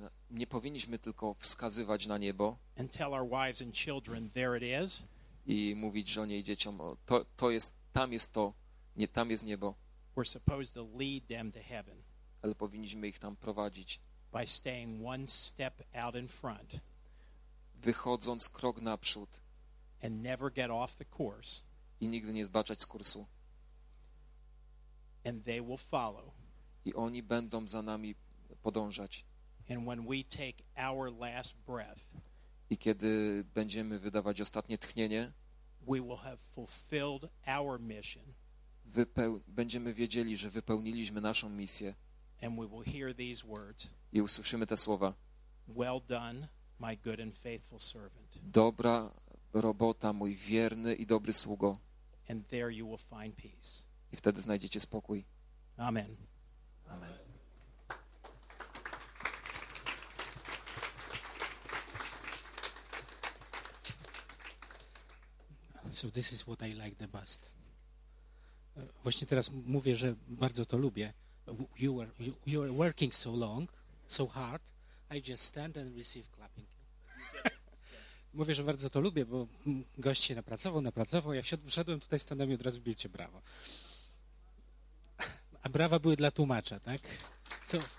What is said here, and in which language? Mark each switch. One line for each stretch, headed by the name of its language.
Polish: Nie powinniśmy tylko wskazywać na niebo.
English: And tell our wives and children, there it is.
Polish: I mówić żonie i dzieciom, to jest, tam jest to, nie, tam jest niebo.
English: We're supposed to lead them to heaven.
Polish: Ale powinniśmy ich tam prowadzić.
English: By staying one step out in front.
Polish: Wychodząc krok naprzód.
English: And never get off the course.
Polish: I nigdy nie zbaczać z kursu.
English: And they will follow.
Polish: I oni będą za nami podążać.
English: And when we take our last breath,
Polish: i kiedy będziemy wydawać ostatnie tchnienie,
English: we will have fulfilled our mission,
Polish: będziemy wiedzieli, że wypełniliśmy naszą misję.
English: And we will hear these words,
Polish: i usłyszymy te słowa.
English: Well done, my good and faithful servant.
Polish: Dobra robota, mój wierny i dobry sługo.
English: And there you will find peace.
Polish: I wtedy znajdziecie spokój.
English: Amen.
Polish: Amen.
English: So this is what I like the best.
Polish: Właśnie teraz mówię, że bardzo to lubię.
English: You were working so long, so hard. I just stand and receive clapping.
Polish: Mówię, że bardzo to lubię, bo gość się napracował. Ja wszedłem tutaj, stanę i od razu bicie brawo. A brawa były dla tłumacza, tak? Co?